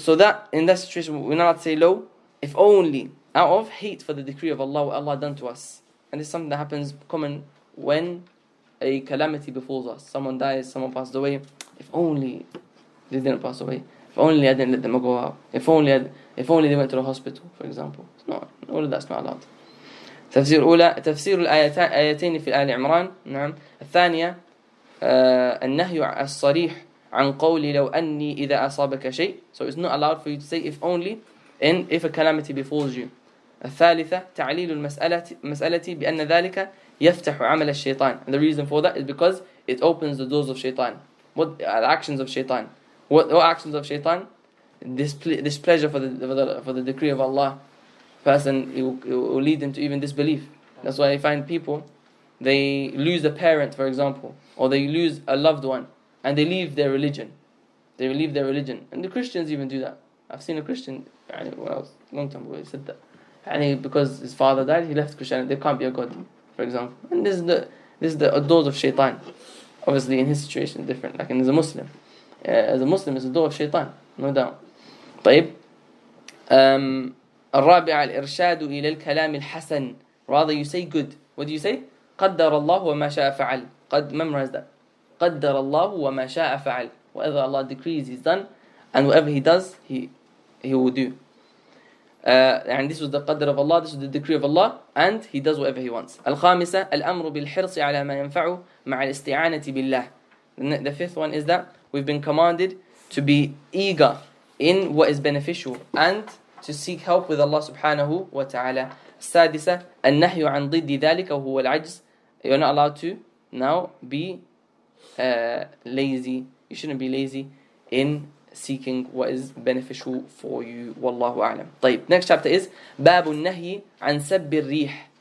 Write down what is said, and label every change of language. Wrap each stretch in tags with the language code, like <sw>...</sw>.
<en>So that in that situation, we're not allowed to say low, if only out of hate for the decree of Allah, what Allah done to us. And it's something that happens common when a calamity befalls us. Someone dies, someone passed away. If only they didn't pass away. If only I didn't let them go out. If only they went to the hospital, for example. No, all of that's not allowed.</en> <ar>تفسير أولى تفسير الآيتين في آل عمران. نعم. الثانية النهي الصريح عن قولي لو أني إذا أصابك شيء.</ar> <en>So it's not allowed for you to say if only and if a calamity befalls you.</en> <ar>الثالثة تعليل المسألة بأن ذلك يفتح عمل الشيطان.</ar> <en>And the reason for that is because it opens the doors of شيطان. What are the actions of شيطان? What actions of شيطان? Displeasure for the decree of Allah. Person, it will lead them to even disbelief. That's why I find people, they lose a parent, for example, or they lose a loved one, and they leave their religion. They leave their religion. And the Christians even do that. I've seen a Christian, long time ago, he said that. And because his father died, he left Christianity. There can't be a God, for example. And this is the doors of Shaitan. Obviously, in his situation, different. Like, and as a Muslim. As a Muslim, it's the door of Shaitan. No doubt. طيب.</en> <ar>الرابع الإرشاد إلى الكلام الحسن.</ar> <en>Rather, you say good. What do you say?</en> <ar>قدر الله وما شاء فعل.</ar> <en>Memorize that.</en> <ar>قدر الله وما شاء فعل.</ar> <en>Whatever Allah decrees, he's done. And whatever he does, he will do. And this was the qadr of Allah, this was the decree of Allah, and he does whatever he wants.</en> <ar>الخامسة الأمر بالحرص على ما ينفعه مع الاستعانة بالله.</ar> <en>The fifth one is that we've been commanded to be eager in what is beneficial and to seek help with Allah subhanahu wa ta'ala.</en> <ar>السادسة النهي عن ضد ذلك وهو العجز.</ar> <en>You're not allowed to now be lazy. You shouldn't be lazy in seeking what is beneficial for you. Wallahu a'lam. طيب. Next chapter is</en> <ar>باب النهي عن سب الريح.</ar>